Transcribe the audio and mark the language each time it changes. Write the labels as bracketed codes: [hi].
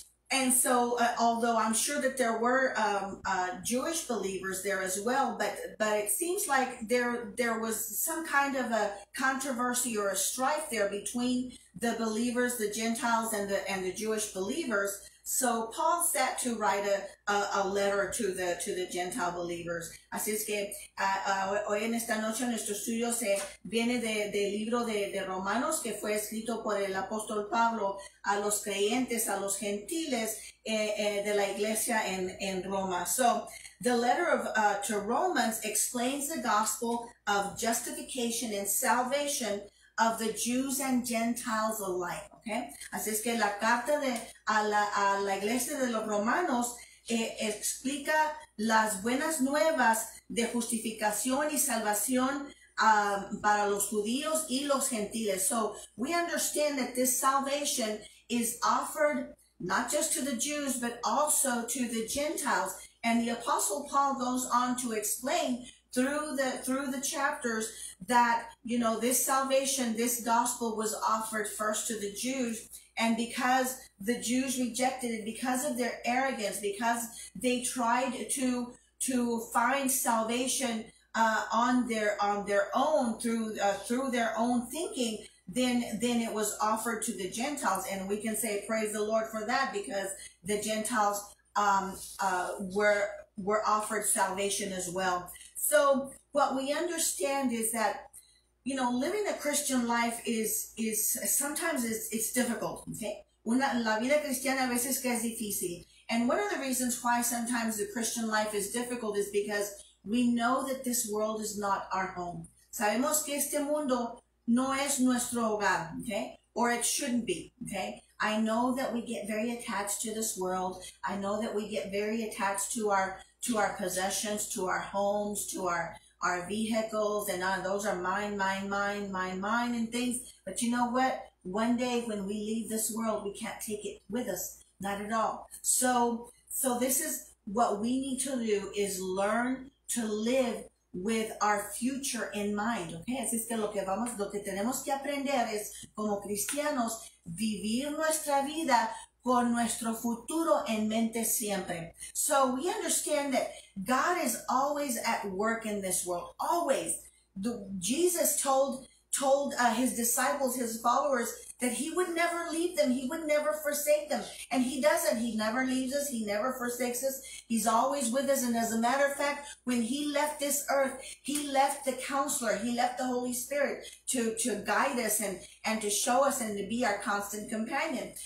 [en] And so, although I'm sure that there were Jewish believers there as well, but it seems like there was some kind of a controversy or a strife there between the believers, the Gentiles, and the Jewish believers. So Paul set to write a letter to the Gentile believers. [es] Así es que hoy en esta noche nuestro estudio se viene del libro de Romanos, que fue escrito por el apóstol Pablo a los creyentes, a los gentiles de la iglesia en Roma. [en] So the letter of to Romans explains the gospel of justification and salvation of the Jews and Gentiles alike. Okay? [es] Así es que la carta a la iglesia de los romanos explica las buenas nuevas de justificación y salvación para los judíos y los gentiles. [en] So we understand that this salvation is offered not just to the Jews, but also to the Gentiles. And the Apostle Paul goes on to explain through the chapters that, you know, this salvation, this gospel was offered first to the Jews. And because the Jews rejected it, because of their arrogance, because they tried to find salvation on their own through their own thinking, then it was offered to the Gentiles. And we can say praise the Lord for that, because the Gentiles were offered salvation as well. So what we understand is that, you know, living a Christian life is sometimes it's difficult, okay? [es] La vida cristiana a veces que es difícil. [en] And one of the reasons why sometimes the Christian life is difficult is because we know that this world is not our home. [es] Sabemos que este mundo no es nuestro hogar, okay? [en] Or it shouldn't be, okay? I know that we get very attached to this world. I know that we get very attached to our possessions, to our homes, to our vehicles, and those are mine, and things. But you know what? One day when we leave this world, we can't take it with us, not at all. So this is what we need to do, is learn to live with our future in mind, okay? [es] Así es que lo que tenemos que aprender es, como cristianos, vivir nuestra vida con nuestro futuro en mente siempre. [en] So we understand that God is always at work in this world, always. Jesus told his disciples, his followers, that he would never leave them, he would never forsake them. And he doesn't, he never leaves us, he never forsakes us. He's always with us. And as a matter of fact, when he left this earth, he left the counselor, he left the Holy Spirit to guide us and to show us and to be our constant companion.